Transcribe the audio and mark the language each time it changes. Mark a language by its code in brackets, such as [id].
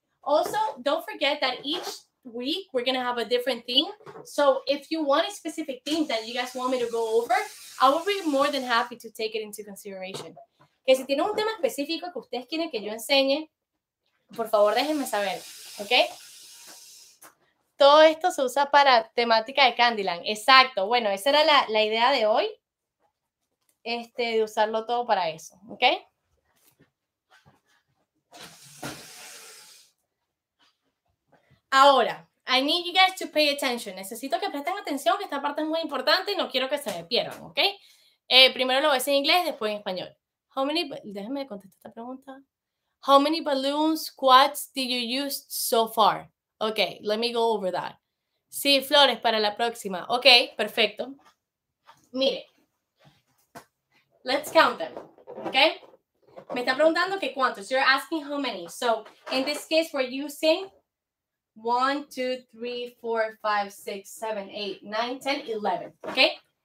[en] Also, don't forget that each week we're going to have a different theme. So if you want a specific theme that you guys want me to go over, I will be more than happy to take it into consideration. [es] Que si tienen un tema específico que ustedes quieren que yo enseñe, por favor déjenme saber. [en] Okay? [es] Todo esto se usa para temática de Candyland. Exacto. Bueno, esa era la idea de hoy, de usarlo todo para eso, ¿ok? [en] Ahora, I need you guys to pay attention. [es] Necesito que presten atención, que esta parte es muy importante y no quiero que se me pierdan, ¿ok? Primero lo voy a decir en inglés, después en español. [en] How many, [es] déjeme contestar esta pregunta. [en] How many balloons, quads did you use so far? Okay, let me go over that. [es] Sí, flores para la próxima. [en] Okay, perfecto. Mire, let's count them, okay? [es] Me está preguntando que cuántos. [en] You're asking how many. So, in this case, we're using 1, 2, 3, 4, 5, 6, 7, 8, 9, 10, 11, okay?